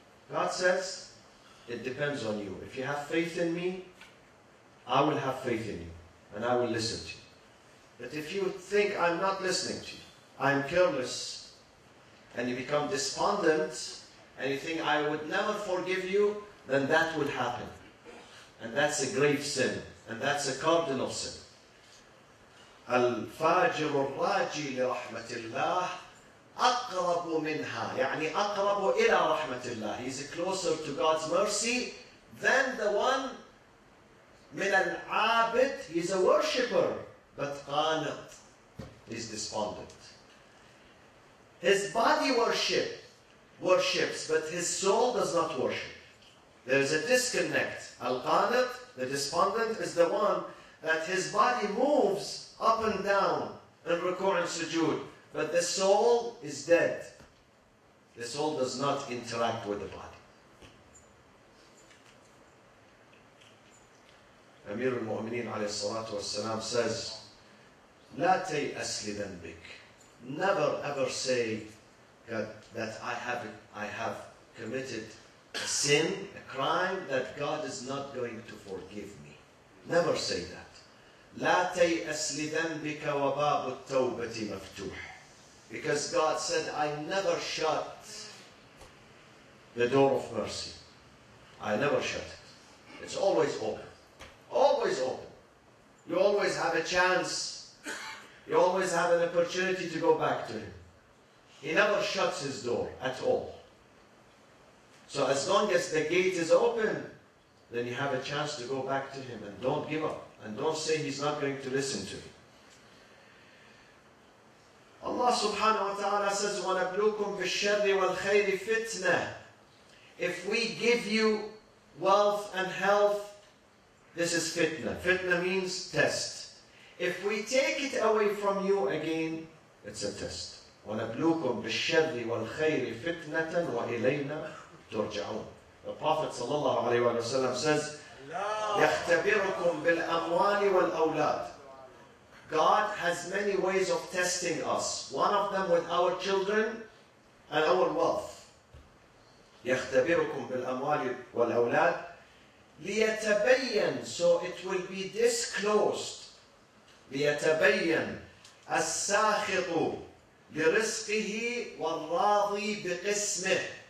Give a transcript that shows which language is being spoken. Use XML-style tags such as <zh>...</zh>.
<en>God says, it depends on you. If you have faith in me, I will have faith in you, and I will listen to you. But if you think I'm not listening to you, I'm careless, and you become despondent, and you think I would never forgive you, then that would happen. And that's a grave sin. And that's a cardinal sin.</en> <ar>الفاجر الراجي لرحمة الله أقرب منها يعني أقرب إلى رحمة الله.</ar> <en>He's closer to God's mercy than the one</en> <ar>من العابد.</ar> <en>He's a worshipper. But قانط. He's despondent. His body worships, but his soul does not worship. There is a disconnect. Al-Qanit, the despondent, is the one that his body moves up and down in rukuh and sujood, but the soul is dead. The soul does not interact with the body. Amir al-Mu'mineen alayhi salatu wassalam says,</en> <ar>La tayas li dhanbik.</ar> <en>Never ever say that I have committed a sin, a crime that God is not going to forgive me. Never say that.</en> <ar>لا تيأس لذنبك وباب التوبة مفتوح.</ar> <en>Because God said, I never shut the door of mercy. I never shut it. It's always open. Always open. You always have a chance. You always have an opportunity to go back to Him. He never shuts His door at all. So as long as the gate is open, then you have a chance to go back to him. And don't give up. And don't say he's not going to listen to you. Allah subhanahu wa ta'ala says,</en> <ar>وَنَبْلُوكُمْ بِالشَّرِّ وَالْخَيْرِ فِتْنَةِ.</ar> <en>If we give you wealth and health, this is fitna. Fitna means test. If we take it away from you again, it's a test.</en> <ar>وَنَبْلُوكُمْ بِالشَّرِّ وَالْخَيْرِ فِتْنَةً وَإِلَيْنَا.</ar> <en>The Prophet وسلم, says,</en> <ar>يَخْتَبِرُكُمْ بِالْأَمْوَالِ وَالْأَوْلَادِ.</ar> <en>God has many ways of testing us. One of them with our children and our wealth.</en> <ar>يَخْتَبِرُكُمْ بِالْأَمْوَالِ وَالْأَوْلَادِ لِيَتَبَيَّنْ.</ar> <en>So it will be disclosed.</en> <ar>لِيَتَبَيَّنْ السَّاخِطُ لِرِزْقِهِ وَالْرَاضِي بِقِسْمِهِ.</ar>